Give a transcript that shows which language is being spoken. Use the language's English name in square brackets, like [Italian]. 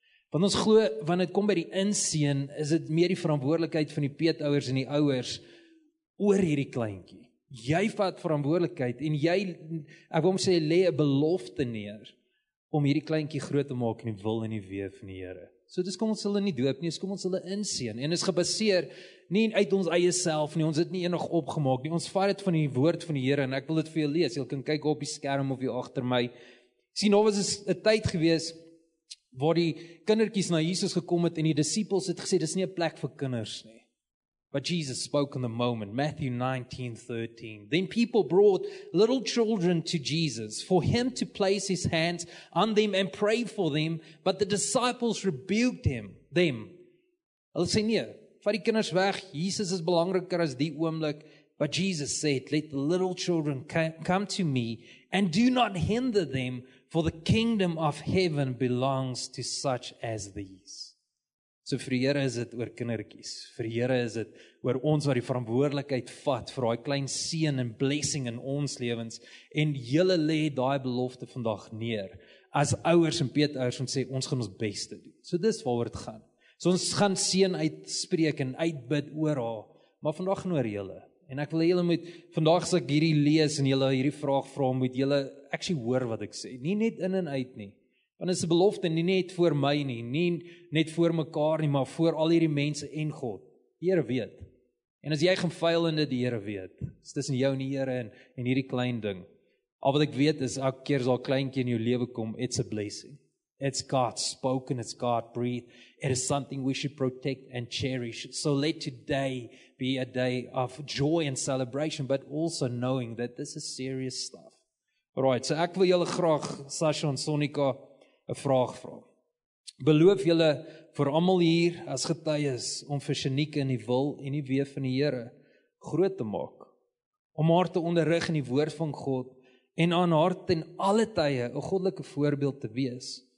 [Afrikaans] Want ons glo, wanneer dit kom by die inseën, is dit meer die verantwoordelikheid van die peetouers en die ouers oor hierdie kleintjie. Jy vat verantwoordelikheid en jy, ek wil hom sê, lê 'n belofte neer om hierdie kleintjie groot te maak in die wil en die weë van die Here. So dis kom ons hulle nie doop nie, dis kom ons hulle inseën. En is gebaseer nie uit ons eie self nie, ons het nie enig opgemaak nie. Ons vat dit van die woord van die Here en ek wil dit vir jou lees. Jy kan kyk op die skerm of jy agter my. Sien, nou was 'n tyd gewees waar die kindertjies na Jesus gekom het en die disippels het gesê, dis nie 'n plek vir kinders nie. [English] But Jesus spoke in the moment, Matthew 19:13. Then people brought little children to Jesus for him to place his hands on them and pray for them, but the disciples rebuked them. [Afrikaans] Hulle sê nee, vat die kinders weg, Jesus is belangriker as die oomblik. [English] But Jesus said, let the little children come to me and do not hinder them, for the kingdom of heaven belongs to such as these. [Afrikaans] So vir die Here is dit oor kindertjies. Vir die Here is dit oor ons wat die verantwoordelikheid vat vir daai klein seën en blessing in ons lewens. En julle lê daai belofte vandag neer as ouers en peetouers om sê ons gaan ons bes te doen. So dis waaroor dit gaan. So ons gaan seën uitspreek en uitbid oor haar. Maar vandag genoor julle. En ek wil hê julle moet vandag as ek hierdie lees en julle hierdie vraag vra, moet julle actually hoor wat ek sê. Nie net in en uit nie. Want dit is 'n belofte nie net vir my nie, nie net vir mekaar nie, maar vir al hierdie mense en God. Die Here weet. En as jy gaan fyil in dit, die Here weet. Dis tussen jou en die Here en hierdie klein ding. Al wat ek weet is elke keer as al kleintjie in jou lewe kom, [English] it's a blessing. It's God spoken, it's God breathed. It is something we should protect and cherish. So let today be a day of joy and celebration, but also knowing that this is serious stuff. [Afrikaans] Alright, so ek wil julle graag, Sasha en Sonika, 'n vraag vra. Beloof julle vir almal hier as getuies om vir Shanique in die wil en die weë van die Here groot te maak, om haar te onderrig in die woord van God en aan haar ten alle tye 'n goddelike voorbeeld te wees.